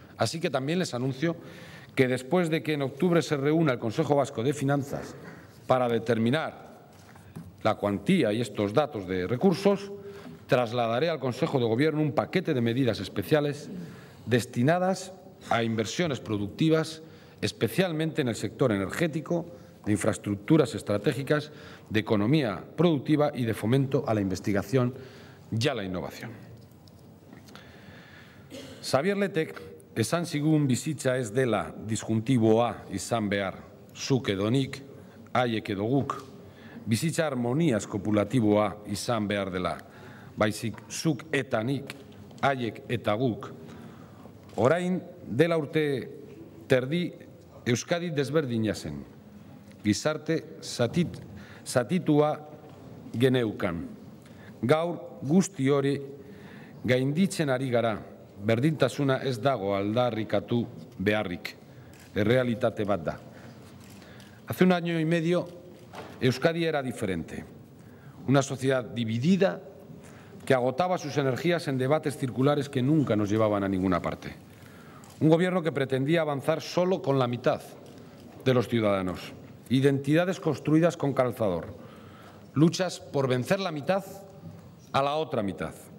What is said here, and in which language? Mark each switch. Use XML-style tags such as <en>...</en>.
<es>Así que también les anuncio que, después de que en octubre se reúna el Consejo Vasco de Finanzas para determinar la cuantía y estos datos de recursos, trasladaré al Consejo de Gobierno un paquete de medidas especiales destinadas a inversiones productivas, especialmente en el sector energético, de infraestructuras estratégicas, de economía productiva y de fomento a la investigación y a la innovación.</es> <eu>Xabier Letek esan zigun bizitza ez dela disjuntiboa izan behar, zuk edo nik, haiek edo guk, bizitza harmoniaz kopulatiboa izan behar dela, baizik zuk eta nik, haiek eta guk. Orain dela urte terdi Euskadi desberdina zen, gizarte zatitua geneukan. Gaur guzti hori gainditzen ari gara, berdintasuna ez dago aldarrikatu beharrik, errealitate bat da.</eu> <es>Hace un año y medio Euskadi era diferente, una sociedad dividida que agotaba sus energías en debates circulares que nunca nos llevaban a ninguna parte. Un gobierno que pretendía avanzar solo con la mitad de los ciudadanos, identidades construidas con calzador, luchas por vencer la mitad a la otra mitad.</es>